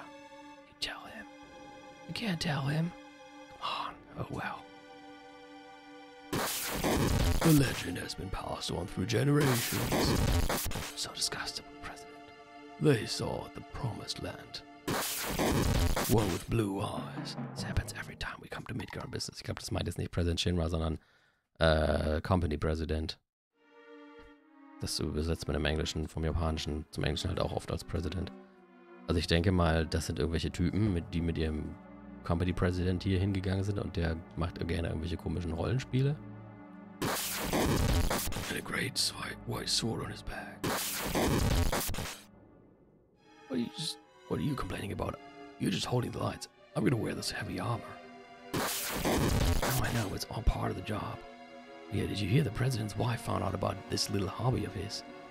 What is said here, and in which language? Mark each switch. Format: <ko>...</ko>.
<en>You tell him. You can't tell him. Come on. Oh, well. The legend has been passed on through generations. So disgusted with President. They saw the promised land. One with blue eyes. This happens every time we come to Midgar on business.</en> <de>Ich glaube, das meint jetzt nicht President Shinra, sondern Company President. Das übersetzt man im Englischen, vom Japanischen zum Englischen halt auch oft als President. Also ich denke mal, das sind irgendwelche Typen, die mit ihrem Company President hier hingegangen sind und der macht gerne irgendwelche komischen Rollenspiele.</de> <en>And a great white sword on his back. What are you complaining about? You're just holding the lights. I'm gonna wear this heavy armor. Now I know it's all part of the job. Yeah, did you hear the president's wife found out about this little hobby of his?</en>